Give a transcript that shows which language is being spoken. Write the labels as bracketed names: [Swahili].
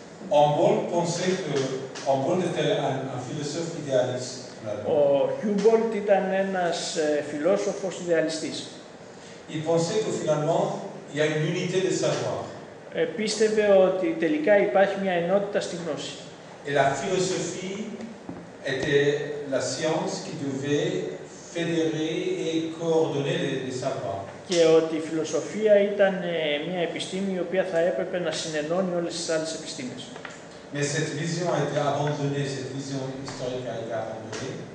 [French] Humboldt pensait que Humboldt était un philosophe idéaliste. [Greek] Ο Humboldt ήταν ένας φιλόσοφος ιδεαλιστής. [French] Il pensait que finalement il y a une unité de savoir. [Greek] Πίστευε ότι τελικά υπάρχει μια ενότητα στη γνώση. [French] Et la philosophie était la science qui devait fédérer et coordonner les savoirs. [Greek] Και ότι η φιλοσοφία ήταν μια επιστήμη η οποία θα έπρεπε να συνενώνει όλες τις άλλες επιστήμες. [French] Mais cette vision a été abandonnée, cette vision historique a été abandonnée.